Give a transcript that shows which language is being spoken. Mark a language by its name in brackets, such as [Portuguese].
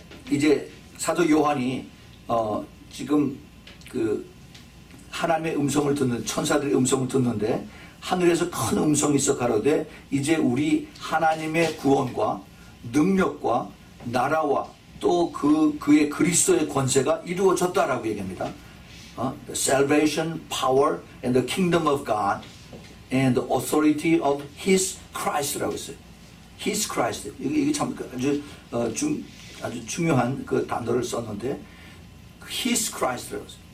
[Korean] 이제 사도 요한이 지금 그 하나님의 음성을 듣는, 천사들의 음성을 듣는데, 하늘에서 큰 음성이 있어 가로되, 이제 우리 하나님의 구원과 능력과 나라와 또 그의 그리스도의 권세가 이루어졌다라고 얘기합니다. [English] The salvation, power, and the kingdom of God, and the authority of His Christ [Korean] 라고 했어요. [English] His Christ. [Korean] 이게 참 아주 중요한 그 단어를 썼는데, His Christ라고 했어요.